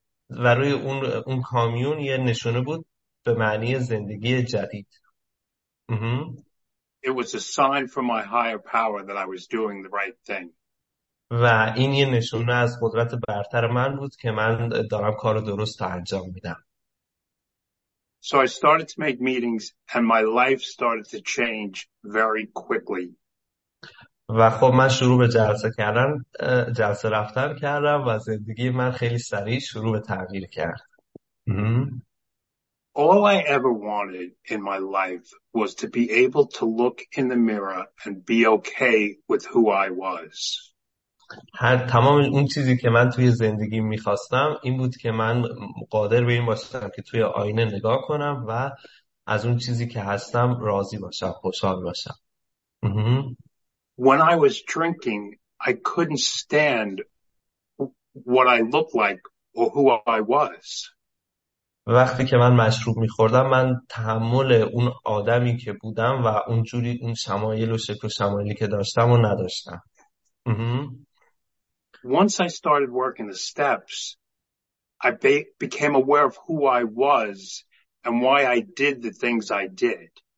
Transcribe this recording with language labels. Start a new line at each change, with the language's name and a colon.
Persian: و روی اون کامیون یه نشونه بود به معنی زندگی جدید.
English: It was a sign from my higher power that I was doing the right thing.
Persian: و این یه نشونه از قدرت برتر من بود که من دارم کار درست انجام میدم.
English: So I started to make meetings and my life started to change very quickly.
Persian: و خب من شروع به جلسه رفتن کردم و زندگی من خیلی سریع شروع به تغییر کرد.
English: All I ever wanted in my life was to be able to look in the mirror and be okay with who I was.
Persian: هر تمام اون چیزی که من توی زندگی میخواستم این بود که من قادر به این باشم که توی آینه نگاه کنم و از اون چیزی که هستم راضی باشم، خوشحال باشم.
English: When I was drinking, I couldn't stand what I looked like or who I was.
Persian: وقتی که من مشروب میخوردم من تحمل اون آدمی که بودم و اونجوری اون شمایل و شکل و شمایلی که داشتم رو نداشتم.
English: Once I started working the steps, I became aware of who I was and why I did the things I did.